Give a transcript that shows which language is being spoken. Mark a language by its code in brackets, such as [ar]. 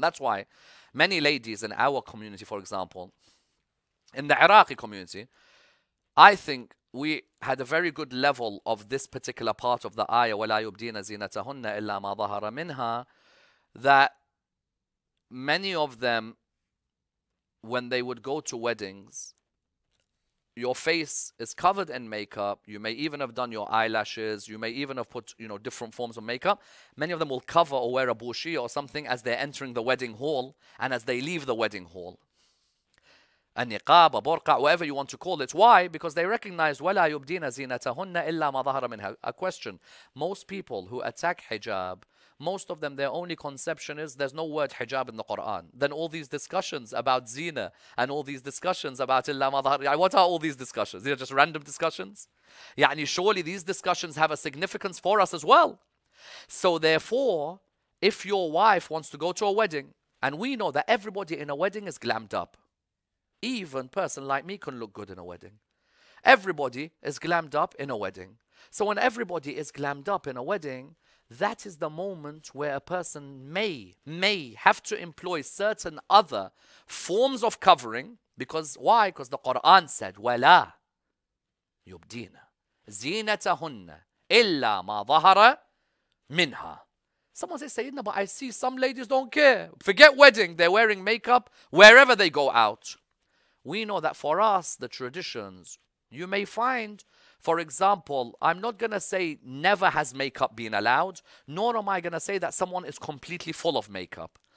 [en] That's why many ladies in our community, for example, in the Iraqi community, I think we had a very good level of this particular part of the ayah, [ar] وَلَا يُبْدِينَ زِينَتَهُنَّ إِلَّا مَا ظَهَرَ مِنْهَا, [en] that many of them, when they would go to weddings, your face is covered in makeup. You may even have done your eyelashes. You may even have put, you know, different forms of makeup. Many of them will cover or wear a burshi or something as they're entering the wedding hall and as they leave the wedding hall. A niqab, a burqa, whatever you want to call it. Why? Because they recognize, [ar] وَلَا يُبْدِينَ زِينَتَهُنَّ إِلَّا مَا ظَهَرَ مِنْهَا. [en] A question. Most people who attack hijab, most of them, their only conception is there's no word hijab in the Quran. Then all these discussions about zina and all these discussions about illa madhar, what are all these discussions? These are just random discussions? Yani surely these discussions have a significance for us as well. So therefore, if your wife wants to go to a wedding, and we know that everybody in a wedding is glammed up, even a person like me can look good in a wedding. Everybody is glammed up in a wedding. So when everybody is glammed up in a wedding, that is the moment where a person may have to employ certain other forms of covering. Because why? Because the Quran said, [ar] وَلَا يُبْدِينَ زِينَتَهُنَّ إِلَّا مَا ظَهَرَ مِنْهَا. [en] Someone says, Sayyidina, but I see some ladies don't care. Forget wedding, they're wearing makeup wherever they go out. We know that for us, the traditions, you may find, for example, I'm not going to say never has makeup been allowed, nor am I going to say that someone is completely full of makeup.